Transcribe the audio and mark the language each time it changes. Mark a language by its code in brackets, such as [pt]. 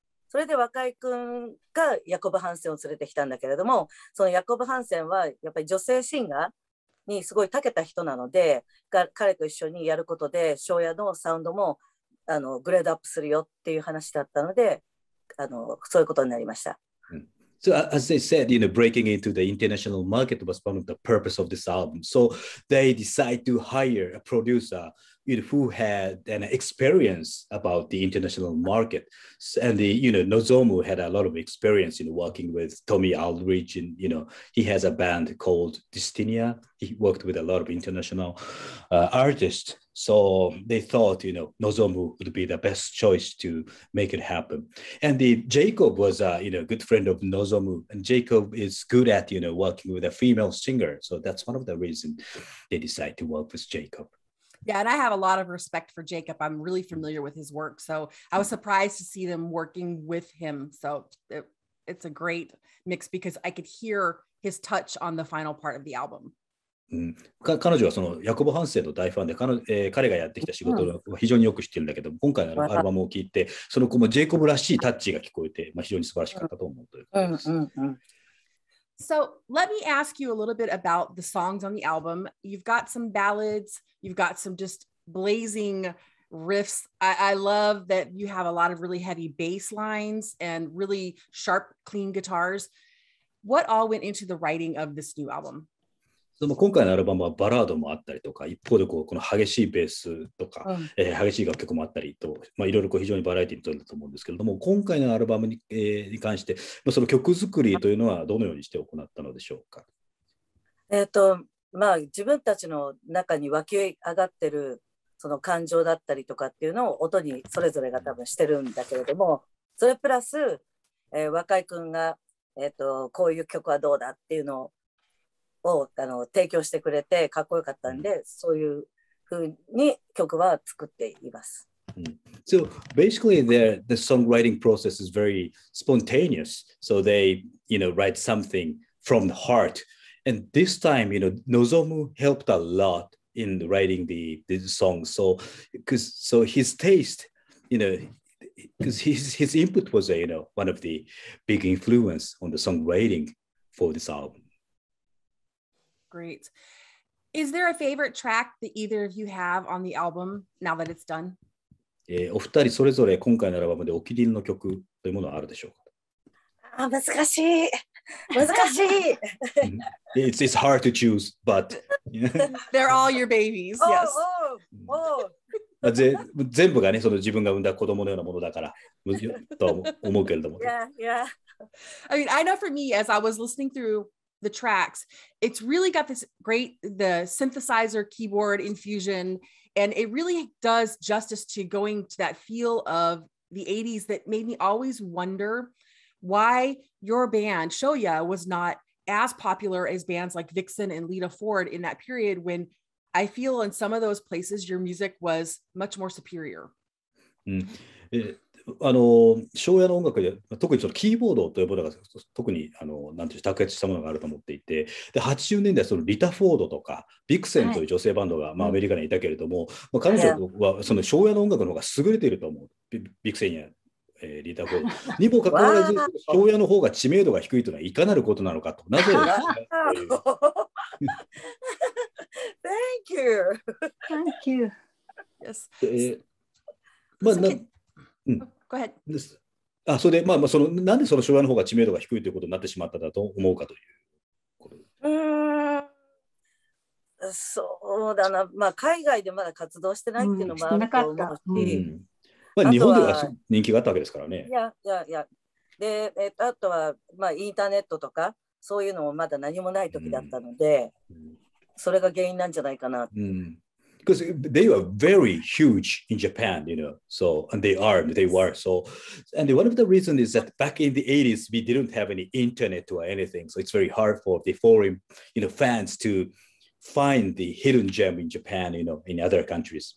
[ja] それで若井くんがヤコブ・ハンセンを連れてきたんだけれども、そのヤコブ・ハンセンはやっぱり女性シンガーにすごい長けた人なので、彼と一緒にやることでショーヤのサウンドもあのグレードアップするよっていう話だったので、あのそういうことになりました。 [en] So as they said, you know, breaking into the international market was one of the purpose of this album. So they decide to hire a producer, you know, who had an experience about the international market. And, the, you know, Nozomu had a lot of experience, you know, working with Tommy Aldridge. And, you know, he has a band called Destinia. He worked with a lot of international artists. So they thought, you know, Nozomu would be the best choice to make it happen. And the Jacob was a, you know, good friend of Nozomu. And Jacob is good at, you know, working with a female singer. So that's one of the reasons they decided to work with Jacob. Yeah, and I have a lot of respect for Jacob. I'm really familiar with his work. So I was surprised to see them working with him. So it's a great mix because I could hear his touch on the final part of the album. [ja] 彼女はそのヤコブ・ハンセンの大ファンで、彼がやってきた仕事を非常によく知ってるんだけど、今回のアルバムを聴いて、その子もジェイコブらしいタッチが聞こえて、まあ、非常に素晴らしかったと思うということです。 [en] So let me ask you a little bit about the songs on the album. You've got some ballads, you've got some just blazing riffs. I love that you have a lot of really heavy bass lines and really sharp, clean guitars. What all went into the writing of this new album? [ja] その今回のアルバムはバラードもあったりとか、一方でこうこの激しいベースとか、うん、激しい楽曲もあったりと、まあ、いろいろこう非常にバラエティに富んだと思うんですけれども、今回のアルバムに、に関して、まあ、その曲作りというのはどのようにして行ったのでしょうか。まあ、自分たちの中に湧き上がってるその感情だったりとかっていうのを音にそれぞれが多分してるんだけれども、それプラス、若井くんが、こういう曲はどうだっていうのを提供してくれてかっこよかったんで、そういう風に曲は作っています。 Mm. [en] So basically the songwriting process is very spontaneous. So they, you know, write something from the heart. And this time, you know, Nozomu helped a lot in writing the song. So, because his taste, you know, because his input was, you know, one of the big influence on the songwriting for this album. Great. Is there a favorite track that either of you have on the album now that it's done? [ja] お二人それぞれ今回のアルバムでお気に入りの曲というものはあるでしょうか？あ、難しい。難しい。 [en] It's hard to choose, but they're all your babies. Yes. Oh, oh, oh. [ja] 全部がね、その自分が産んだ子供のようなものだからと思うけれども。 [en] Yeah, yeah. I mean, I know for me, as I was listening through the tracks, it's really got this great the synthesizer keyboard infusion, and it really does justice to going to that feel of the 80s that made me always wonder why your band Shoya was not as popular as bands like Vixen and Lita Ford in that period, when I feel in some of those places your music was much more superior. [ja] ショーヤの音楽で特にそのキーボードというものが特に何ていう卓越したものがあると思っていて、で80年代そのリタ・フォードとかビクセンという女性バンドが、はい、まあ、アメリカにいたけれども、まあ、彼女はそのショーヤの音楽の方が優れていると思う。ビクセンや、リタ・フォードにもかかわらずショーヤの方が知名度が低いというのはいかなることなのかと、なぜですか。 [en] Thank you. Thank you. Yes. まあ、 Go ahead. [ja] です。あ、それで、まあ、その、なんでその昭和の方が知名度が低いということになってしまっただと思うかということ。そうだな、まあ、海外でまだ活動してないっていうのもあると思うし、うん、まあ、日本では人気があったわけですからね。いや。で、あとは、まあ、インターネットとか、そういうのもまだ何もない時だったので、うん、それが原因なんじゃないかな。 [en] うん、because they were very huge in Japan, you know, so, and they were, so, and one of the reasons is that back in the 80s, we didn't have any internet or anything, so it's very hard for the foreign, you know, fans to find the hidden gem in Japan, you know, in other countries.